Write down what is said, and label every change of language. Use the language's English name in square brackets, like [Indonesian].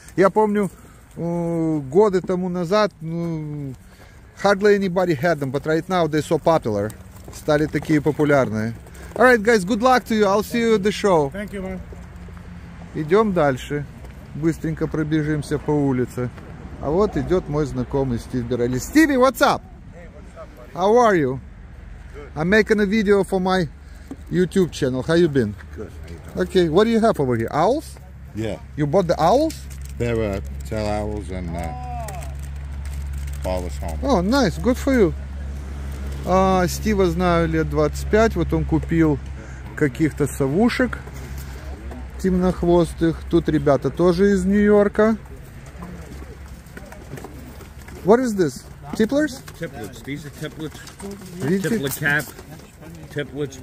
[Russian] Я помню, годы тому назад, [English] hardly anybody had them, but right now they're so popular. [Russian] Стали такие популярные. [English] All right, guys, good luck to you. I'll see you at the show. Thank you, man. [Russian] Идем дальше. Быстренько пробежимся по улице. А вот идет мой знакомый Стив Бирелли. [English] Стиви, what's up? Hey, what's up, buddy? How are you? Good. I'm making a video for my YouTube channel. How you been? Good. Okay, what do you have over here? Owls? Yeah. You bought the owls? They were tail owls and Paul was home. Oh, nice. Good for you. [Russian] Стива знаю лет 25. Вот он купил каких-то совушек. Темнохвостых. Тут ребята тоже из Нью-Йорка. [English] What is this? Tipplers? Tipplets. These are tipplets. [Russian] Видите? [English] Tippler cap. Tipplets.